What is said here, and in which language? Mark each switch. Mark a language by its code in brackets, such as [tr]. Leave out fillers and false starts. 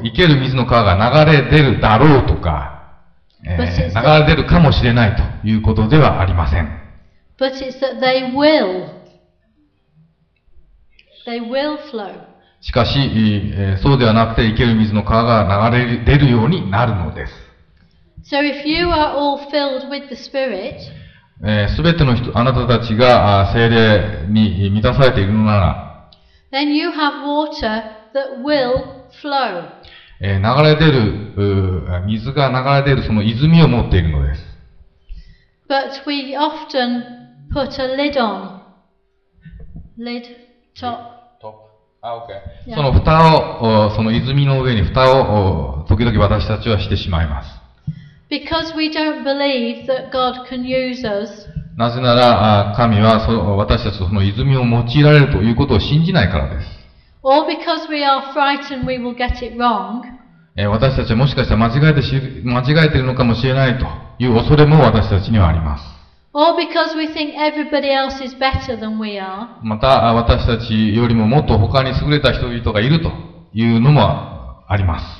[ja] 生ける水の川が流れ出るだろうとか、流れ出るかもしれないということではありません。 [en] But it's that they will. They will flow. [ja] しかし、そうではなくて生ける水の川が流れ出るようになるのです。 [en] So if you are all filled with the Spirit, [ja] すべての人、あなたたちが聖霊に満たされているのなら、 [en] then you have water that will flow. [ja] 流れ出る、水が流れ出るその泉を持っているのです。 [en] But we often put a lid on. Lid, top. Top. Ah, okay. [ja] その蓋を、その泉の上に蓋を、時々私たちはしてしまいます。 [en] Because we don't believe that God can use us. [ja] なぜなら神は私たちとその泉を用いられるということを信じないからです。 [en] Or because we are frightened we will get it wrong. [ja] 私たちはもしかしたら間違えているのかもしれないという恐れも私たちにはあります。 [en] Or because we think everybody else is better than we are. [ja] また私たちよりももっと他に優れた人々がいるというのもあります。